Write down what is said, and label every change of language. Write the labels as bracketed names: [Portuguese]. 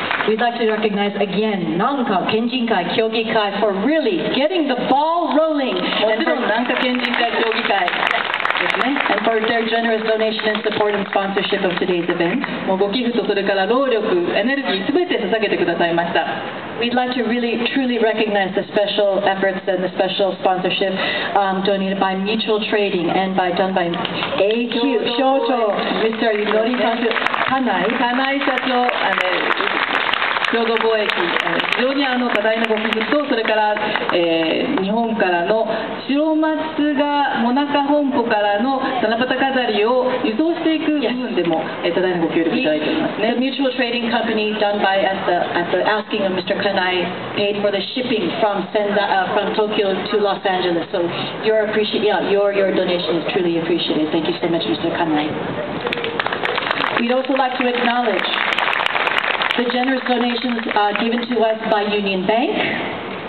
[English] We'd like to recognize again, 南下県人会協議会 for really getting the ball rolling. [Japanese] もちろん南下県人会協議会ですね。 [English] And for their generous donation and support and sponsorship of today's event. [Japanese] もうご寄付とそれから労力、エネルギー全て捧げてくださいました。 [English] We'd like to really, truly recognize the special efforts and the special sponsorship donated by Mutual Trading and by done by AQ Shoto, Mr. Yudori Kanai. [Japanese] Kanai 社長、共同貿易、非常に多大なご寄付と、それから、日本からの白松がモナカ本舗からの七夕飾りを輸送していく部分でも、多大なご協力いただいておりますね。 [English] The mutual trading company done by at the asking of Mr. Kanai paid for the shipping from from Tokyo to Los Angeles. So your donation is truly appreciated. Thank you so much, Mr. Kanai. We'd also like to acknowledge the generous donations given to us by Union Bank.